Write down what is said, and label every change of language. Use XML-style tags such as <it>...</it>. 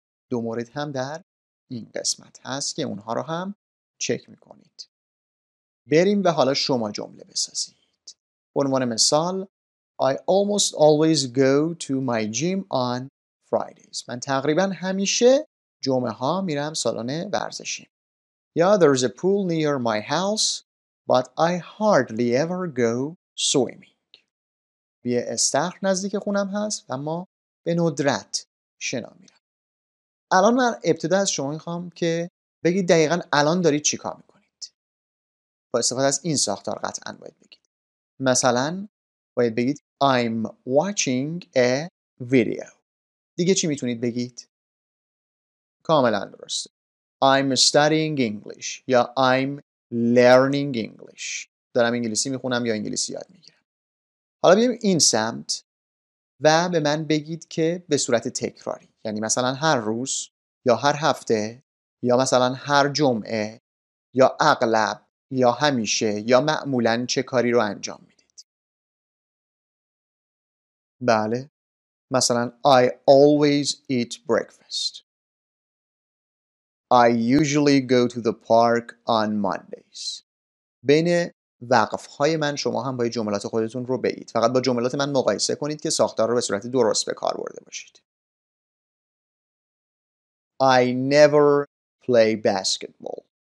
<fa>دو مورد هم در این قسمت هست که اونها رو هم چک میکنید. بریم و حالا شما جمله بسازید. عنوان مثال</fa> <en>I almost always go to my gym on Fridays.</en> <fa>من تقریباً همیشه جمعه ها میرم سالن ورزشی.</fa> <en>یا there is a pool near my house but I hardly ever go swimming.</en> <fa>یه استخر نزدیک خونم هست اما به ندرت شنا میرم. الان من ابتدا از شما میخوام که بگید دقیقاً الان دارید چی کار میکنید. با استفاده از این ساختار قطعاً باید بگید. مثلا باید بگید</fa> <en>I'm watching a video.</en> <fa>دیگه چی میتونید بگید؟ کاملا درسته.</fa> <en>I'm studying English</en> <fa>یا</fa> <en>I'm learning English.</en> <fa>دارم انگلیسی میخونم یا انگلیسی یاد میگیرم. حالا بیایم این سمت و به من بگید که به صورت تکراری، یعنی مثلا هر روز یا هر هفته یا مثلا هر جمعه یا اغلب یا همیشه یا معمولا چه کاری رو انجام میدید؟ بله، مثلا</fa> <en>I always eat breakfast. I usually go to the park on Mondays.</en> <fa>بین وقفهای من شما هم با جملات خودتون رو بگید. فقط با جملات من مقایسه کنید که ساختار رو به صورت درست به کار برده باشید.</fa> <en>I never play basketball.</en>